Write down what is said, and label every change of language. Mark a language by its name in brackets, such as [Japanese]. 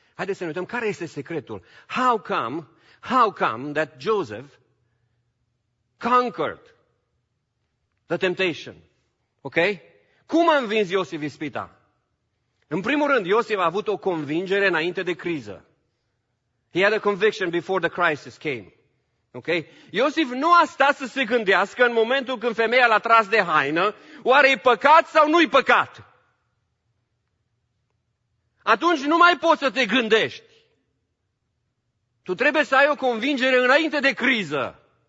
[Romanian] Haideți să ne uităm care este secretul. [English] How come that Joseph conquered the temptation? Ok? [Romanian] Cum a învins Iosif ispita? În primul rând, Iosif a avut o convingere înainte de criză. [English] He had a conviction before the crisis came. Ok? [Romanian] Iosif nu a stat să se gândească în momentul când femeia l-a tras de haină, oare e păcat sau nu e păcat? Atunci nu mai poți să te gândești. Tu trebuie să ai o convingere înainte de criză.